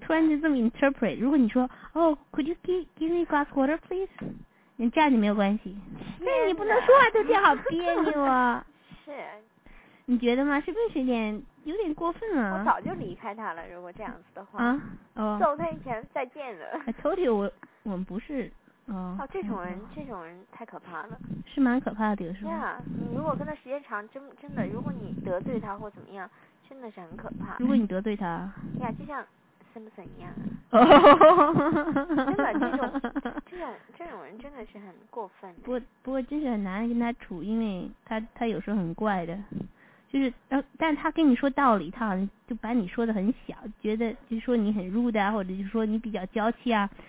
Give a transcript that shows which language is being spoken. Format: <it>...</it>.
<zh>突然就这么 interpret。如果你说哦</zh> <en>could you give me glass water please，</en> <zh>你这样就没有关系，那你不能说话就这样，好别扭啊。是你觉得吗？是不是有点过分了、啊、我早就离开他了，如果这样子的话啊，哦，走他以前再见了。</zh> <en>I told you</en> <zh>我们不是，哦，这种人太可怕了，是蛮可怕的，是吧？对啊，你如果跟他时间长，真的，如果你得罪他或怎么样，真的是很可怕。如果你得罪他，呀，就像 Simpson 一样，哦，真的这种人真的是很过分。不过真是很难跟他处，因为他有时候很怪的，就是，但他跟你说道理，他好像就把你说的很小，觉得就是说你很 rude 啊，或者就是说你比较娇气啊。</zh>